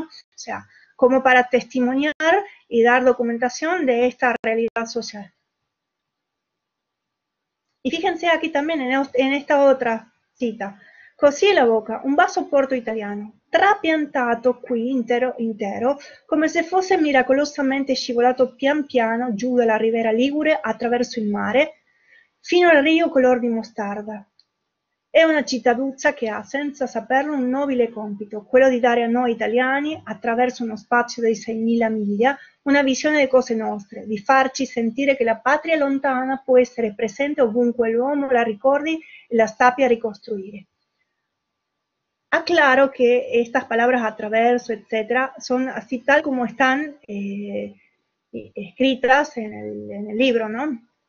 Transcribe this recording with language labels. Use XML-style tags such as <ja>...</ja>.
<es>O sea, como para testimoniar y dar documentación de esta realidad social. Y fíjense aquí también en esta otra cita.</es> <it>Così la boca, un vaso porto italiano, trapiantato qui intero, intero, come se fosse miracolosamente scivolato pian piano giù dalla riviera Ligure attraverso il mare, fino al rio color di mostarda. È una cittaduzza che ha, senza saperlo, un nobile compito, quello di dare a noi italiani, attraverso uno spazio di 6.000 miglia, una visione di cose nostre, di farci sentire che la patria lontana può essere presente ovunque l'uomo la ricordi e la sappia ricostruire.</it> <es>Aclaro que estas palabras atraverso, etcétera, son así tal como están escritas en el libro, ¿no?</es>